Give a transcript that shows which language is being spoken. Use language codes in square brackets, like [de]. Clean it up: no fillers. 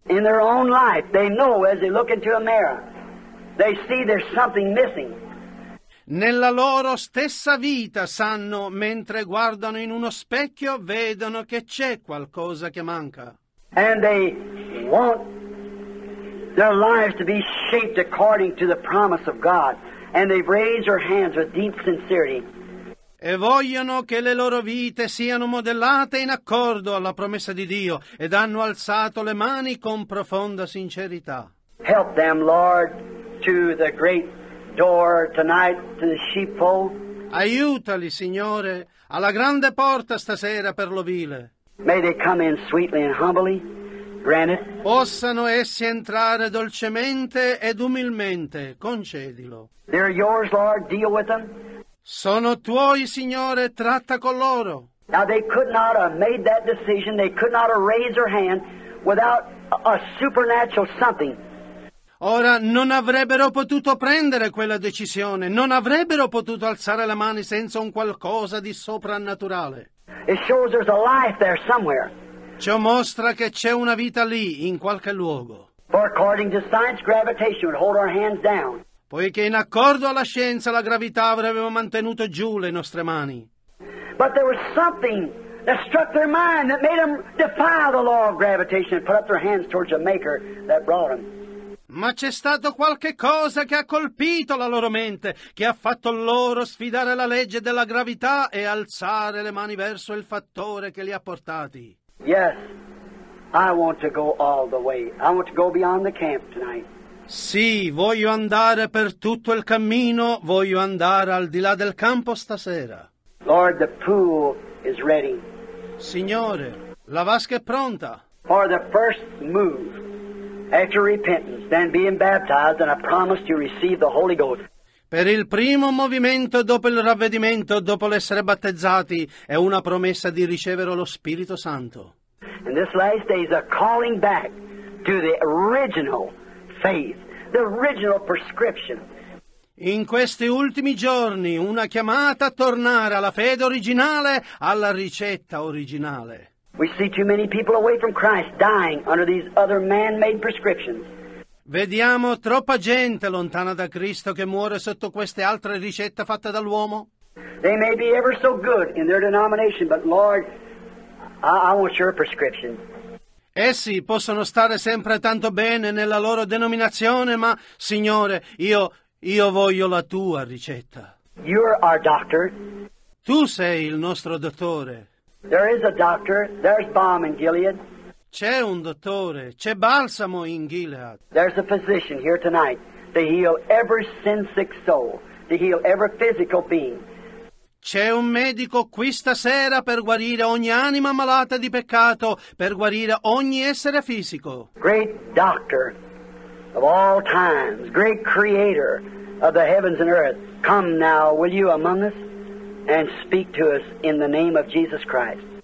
[en] In their own life, they know as they look into a mirror, they see there's something missing. [it] Nella loro stessa vita sanno, mentre guardano in uno specchio, vedono che c'è qualcosa che manca. [en] And they want their lives to be shaped according to the promise of God. And they've raised their hands with deep sincerity. [it] e vogliono che le loro vite siano modellate in accordo alla promessa di Dio ed hanno alzato le mani con profonda sincerità. [en] Help them, Lord, to the great door tonight, to the sheepfold. [it] Aiutali, Signore, alla grande porta stasera per l'ovile. [en] May they come in sweetly and humbly. Granted. [it] Possano essi entrare dolcemente ed umilmente, concedilo. [en] They're yours, Lord. Deal with them. [it] Sono tuoi, Signore, tratta con loro. [en] Now they could not have made that decision, they could not have raised their hand without a supernatural something. [it] Ora non avrebbero potuto prendere quella decisione, non avrebbero potuto alzare le mani senza un qualcosa di soprannaturale. [en] It shows there's a life there somewhere. [it] Ciò mostra che c'è una vita lì, in qualche luogo. [en] For according to science, gravitation would hold our hands down. [it] Poiché in accordo alla scienza la gravità avrebbe mantenuto giù le nostre mani. [en] But there was something that struck their mind that made them defy the law of gravitation and put up their hands towards the maker that brought them. [it] Ma c'è stato qualche cosa che ha colpito la loro mente, che ha fatto loro sfidare la legge della gravità e alzare le mani verso il fattore che li ha portati. [en] Yes, I want to go all the way. I want to go beyond the camp tonight. [it] Sì, voglio andare per tutto il cammino, voglio andare al di là del campo stasera. [en] Lord, the pool is ready. [it] Signore, la vasca è pronta. [en] For the first move. After repentance, then being baptized, and I promise to receive the Holy Ghost. [it] Per il primo movimento dopo il ravvedimento, dopo l'essere battezzati, è una promessa di ricevere lo Spirito Santo. [en] And this last day is a calling back to the original faith, the original prescription. [it] In questi ultimi giorni, una chiamata a tornare alla fede originale, alla ricetta originale. [en] We see too many people away from Christ dying under these other man-made prescriptions. [it] Vediamo troppa gente lontana da Cristo che muore sotto queste altre ricette fatte dall'uomo. [en] They may be ever so good in their denomination, but Lord, I want your prescription. [it] Essi possono stare sempre tanto bene nella loro denominazione, ma Signore, io voglio la tua ricetta. [en] You're our doctor. [it] Tu sei il nostro dottore. [en] There is a doctor. There's balm in Gilead. [it] C'è un dottore. C'è balsamo in Gilead. [en] There's a physician here tonight to heal every sin-sick soul, to heal every physical being. [it] C'è un medico qui stasera per guarire ogni anima malata di peccato, per guarire ogni essere fisico. [en] Great doctor of all times, great creator of the heavens and earth, come now, will you, among us? And speak to us in the name of Jesus Christ.